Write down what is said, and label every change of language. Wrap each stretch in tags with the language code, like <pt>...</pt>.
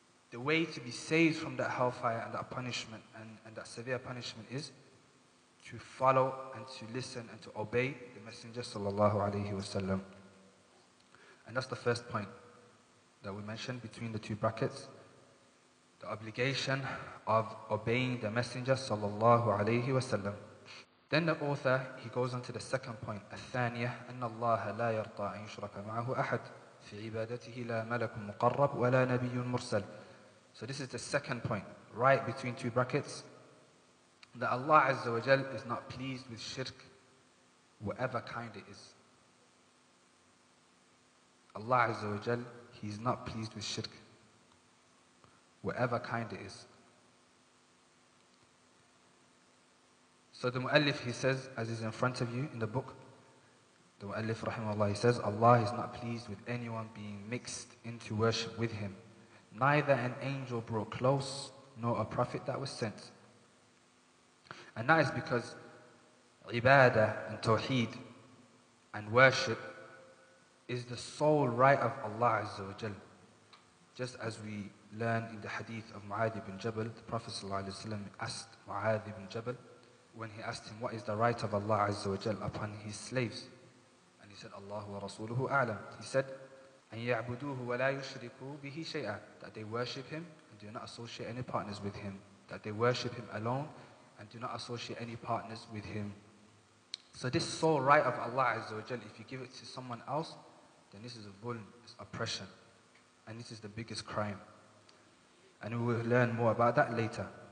<en>The way to be saved from that hellfire and that punishment and that severe punishment is to follow and to listen and to obey the Messenger sallallahu alayhi wa sallam. And that's the first point that we mentioned between the two brackets. The obligation of obeying the Messenger sallallahu alayhi wa sallam. Then the author, he goes on to the second point.</en> <ar>الثانيه ان الله لا يرضى ان يشرك معه احد في عبادته لا ملك مقرب ولا نبي مرسل.</ar> <en>So this is the second point, right between two brackets, that Allah Azza wa Jal is not pleased with shirk, whatever kind it is. Allah Azza wa Jal, he's not pleased with shirk, whatever kind it is. So the Mu'allif, he says, as is in front of you in the book, the Mu'allif rahimahullah, he says, Allah is not pleased with anyone being mixed into worship with him. Neither an angel brought close, nor a prophet that was sent. And that is because ibadah and tawheed and worship is the sole right of Allah Azza wa Jal. Just as we learn in the hadith of Mu'adh ibn Jabal, the Prophet sallallahu alayhi wa sallam asked Mu'adh ibn Jabal, when he asked him, what is the right of Allah Azza wa Jal upon his slaves? And he said, Allah wa Rasuluhu A'lam. He said,</en> <ar>أَنْ يَعْبُدُوهُ وَلَا يُشْرِكُوا بِهِ شَيْئًا.</ar> <en>That they worship him and do not associate any partners with him. That they worship him alone and do not associate any partners with him. So this sole right of Allah Azza wa Jal, if you give it to someone else, then this is a bull, it's oppression. And this is the biggest crime. And we will learn more about that later.</en>